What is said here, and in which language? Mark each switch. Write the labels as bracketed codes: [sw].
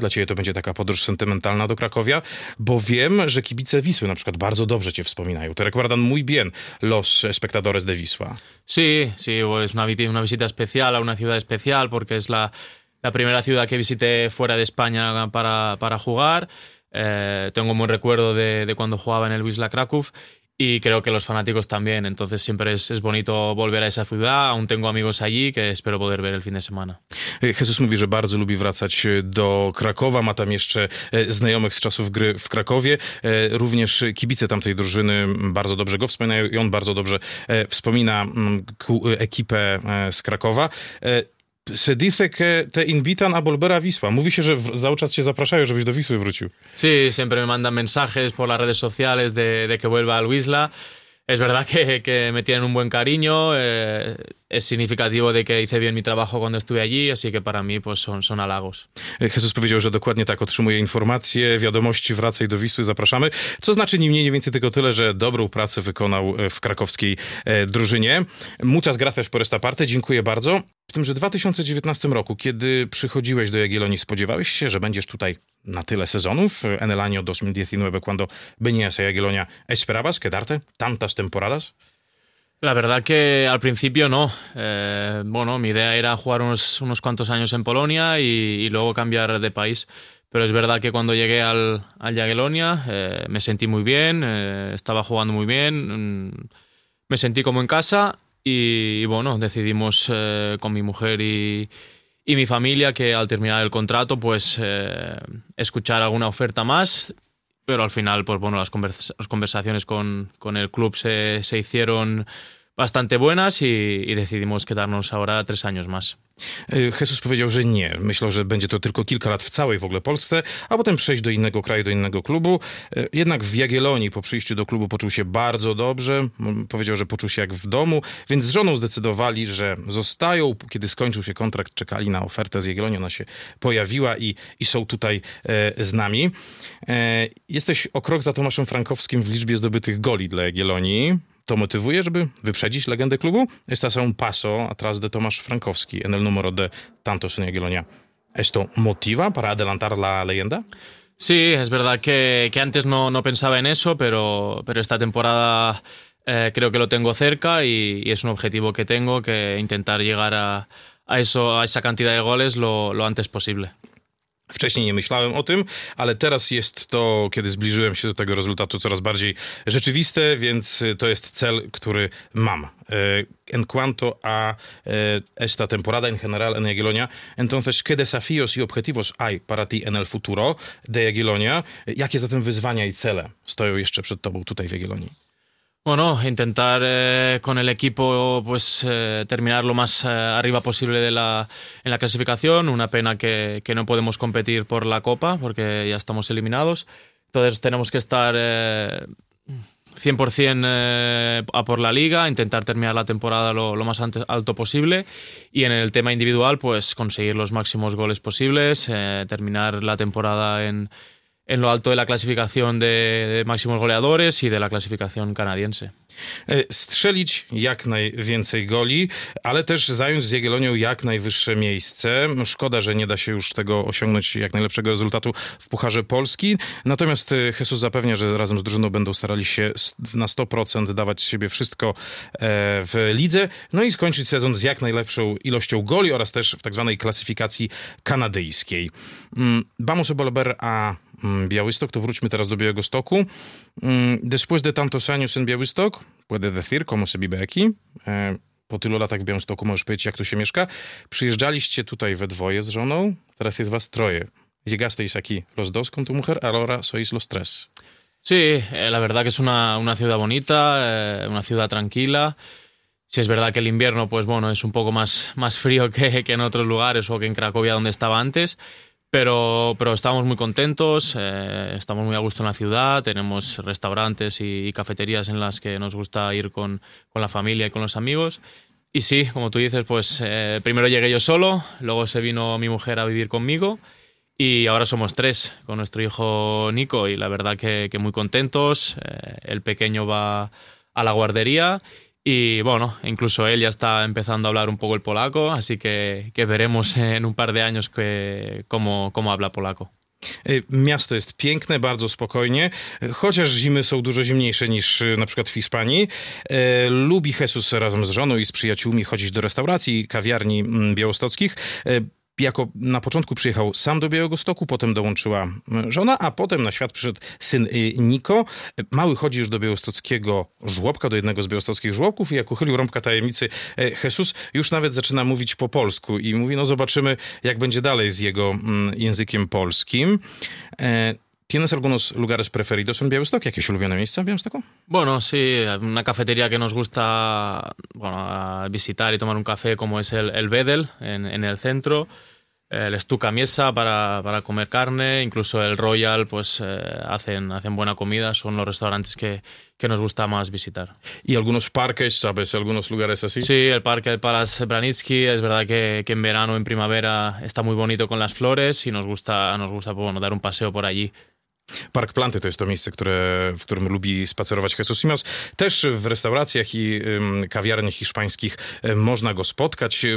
[pl] Dla ciebie to będzie taka podróż sentymentalna do Cracovia, bo wiem, że kibice Wisły na przykład bardzo dobrze cię wspominają. [es] Te recuerdan muy bien los espectadores de Wisła. Sí, sí, es una visita especial a una ciudad especial porque es la primera ciudad que visité fuera de España para jugar. Tengo un buen recuerdo de cuando jugaba en el Wisła Kraków. Y creo que los fanáticos también, entonces siempre es bonito volver a esa ciudad, aún tengo amigos allí que espero poder ver el fin de semana. [pl] Jesús mówi, że bardzo lubi wracać do Krakowa, ma tam jeszcze znajomych z czasów gry w Krakowie, również kibice tamtej drużyny bardzo dobrze go wspominają i on bardzo dobrze wspomina ekipę z Krakowa. [es] Se dice que te invitan a volver a Wisła. [pl] Mówi się, że cały czas cię zapraszają, żebyś do Wisły wrócił. [es] Sí, siempre me mandan mensajes por las redes sociales de que vuelva al Wisła. Es verdad que me tienen un buen cariño. Es significativo de que hice bien mi trabajo cuando estuve allí, así que para mí pues son halagos. [pl] Jesús powiedział, że dokładnie tak, otrzymuje informacje, wiadomości, wracaj do Wisły, zapraszamy. Co znaczy ni mniej, ni więcej tylko tyle, że dobrą pracę wykonał w krakowskiej drużynie. [es] Muchas gracias por esta parte, [pl] dziękuję bardzo. W tymże 2019 roku, kiedy przychodziłeś do Jagiellonii, spodziewałeś się, że będziesz tutaj na tyle sezonów? [es] En el año 2019, cuando venías a Jagiellonia, ¿esperabas quedarte tantas temporadas? La verdad que al principio no. Bueno, mi idea era jugar unos cuantos años en Polonia y luego cambiar de país. Pero es verdad que cuando llegué al Jagiellonia me sentí muy bien, estaba jugando muy bien, me sentí como en casa. Y bueno, decidimos con mi mujer y mi familia que al terminar el contrato, pues escuchar alguna oferta más. Pero al final, pues bueno, las conversaciones con el club se hicieron bastante buenas y decidimos quedarnos ahora 3 años más. [pl] Jesús powiedział, że nie. Myślał, że będzie to tylko kilka lat w całej w ogóle Polsce, a potem przejść do innego kraju, do innego klubu. Jednak w Jagiellonii po przyjściu do klubu poczuł się bardzo dobrze. Powiedział, że poczuł się jak w domu, więc z żoną zdecydowali, że zostają. Kiedy skończył się kontrakt, czekali na ofertę z Jagiellonii. Ona się pojawiła i są tutaj z nami. Jesteś o krok za Tomaszem Frankowskim w liczbie zdobytych goli dla Jagiellonii. To motywuje, żeby wyprzedzić legendę klubu? [es] Estás a un paso atrás de Tomasz Frankowski en el número de tantos en Jagiellonia. ¿Esto motiva para adelantar la leyenda? Sí, es verdad que antes no pensaba en eso, pero esta temporada creo que lo tengo cerca y es un objetivo que tengo, que intentar llegar a esa cantidad de goles lo antes posible. [pl] Wcześniej nie myślałem o tym, ale teraz jest to, kiedy zbliżyłem się do tego rezultatu, coraz bardziej rzeczywiste, więc to jest cel, który mam. [es] En cuanto a esta temporada en general en Jagiellonia, entonces, ¿qué desafíos y objetivos hay para ti en el futuro de Jagiellonia? [pl] Jakie zatem wyzwania i cele stoją jeszcze przed tobą tutaj w Jagiellonii? [es] Bueno, intentar con el equipo pues terminar lo más arriba posible en la clasificación. Una pena que no podemos competir por la Copa porque ya estamos eliminados. Entonces tenemos que estar 100% a por la Liga, intentar terminar la temporada lo más alto posible. Y en el tema individual, pues conseguir los máximos goles posibles, terminar la temporada en lo alto de la clasificación de máximos goleadores y de la clasificación canadiense. [pl] Strzelić jak najwięcej goli, ale też zająć z Jagiellonią jak najwyższe miejsce. Szkoda, że nie da się już tego osiągnąć jak najlepszego rezultatu w Pucharze Polski. Natomiast Jesús zapewnia, że razem z drużyną będą starali się na 100% dawać z siebie wszystko w lidze, no i skończyć sezon z jak najlepszą ilością goli oraz też w tak zwanej klasyfikacji kanadyjskiej. [es] Vamos a volver a Białystok, [pl] to wróćmy teraz do Białegostoku. [es] Después de tantos años en Białystok, puede decir cómo se vive aquí. [pl] po tylu latach w Białymstoku, możesz powiedzieć, jak tu się mieszka. Przyjeżdżaliście tutaj we dwoje z żoną, teraz jest was troje. [es] Llegasteis aquí los dos con tu mujer, ahora sois los tres. Sí, la verdad que es una ciudad bonita, una ciudad tranquila. Sí, es verdad que el invierno, pues bueno, es un poco más frío que en otros lugares o que en Cracovia donde estaba antes. Pero estamos muy contentos, estamos muy a gusto en la ciudad, tenemos restaurantes y cafeterías en las que nos gusta ir con la familia y con los amigos. Y sí, como tú dices, pues primero llegué yo solo, luego se vino mi mujer a vivir conmigo y ahora somos tres con nuestro hijo Nico y la verdad que muy contentos. El pequeño va a la guardería y bueno, incluso él ya está empezando a hablar un poco el polaco, así que veremos en un par de años cómo habla polaco. [pl] Miasto jest piękne, bardzo spokojnie, chociaż zimy są dużo zimniejsze niż na przykład w Hiszpanii. Lubi Jesus razem z żoną i z przyjaciółmi chodzić do restauracji, kawiarni białostockich. Jako na początku przyjechał sam do Białegostoku, potem dołączyła żona, a potem na świat przyszedł syn Niko. Mały chodzi już do białostockiego żłobka, do jednego z białostockich żłobków i jak uchylił rąbka tajemnicy, Jesus już nawet zaczyna mówić po polsku i mówi, no zobaczymy, jak będzie dalej z jego językiem polskim. [es] ¿Tienes algunos lugares preferidos en Białystok? [pl] ¿Jakieś ulubione miejsca en Białystoku? [es] Bueno, sí, una cafetería que nos gusta bueno, visitar y tomar un café como es el Bedel en el centro, el Stuka Miesa para comer carne, incluso el Royal pues hacen buena comida, son los restaurantes que nos gusta más visitar. ¿Y algunos parques, sabes, algunos lugares así? Sí, el parque del Palace Branitsky, es verdad que en verano, en primavera está muy bonito con las flores y nos gusta bueno, dar un paseo por allí. [pl] Park Planty to jest to miejsce, w którym lubi spacerować Jesus Simas. Też w restauracjach i kawiarni hiszpańskich można go spotkać.